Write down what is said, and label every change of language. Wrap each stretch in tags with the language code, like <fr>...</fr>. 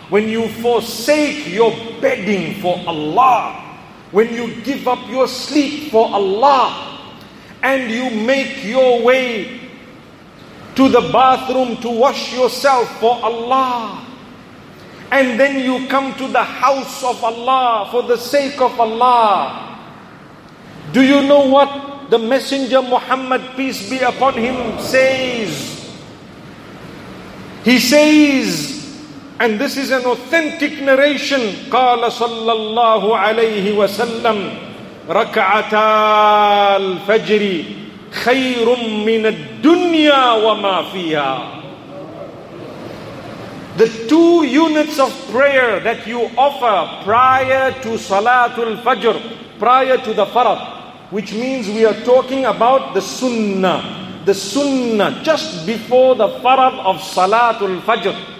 <en>when you forsake your bedding for Allah, when you give up your sleep for Allah, and you make your way to the bathroom to wash yourself for Allah, and then you come to the house of Allah for the sake of Allah. Do you know what the Messenger Muhammad, peace be upon him, says? He says, and this is an authentic narration,</en> <ar>قال صلى الله عليه وسلم ركعتا الفجر خير من الدنيا وما فيها.</ar> <en>The two units of prayer that you offer prior to Salatul Fajr, prior to the Farad, which means we are talking about the Sunnah, just before the Farad of Salatul Fajr.</en>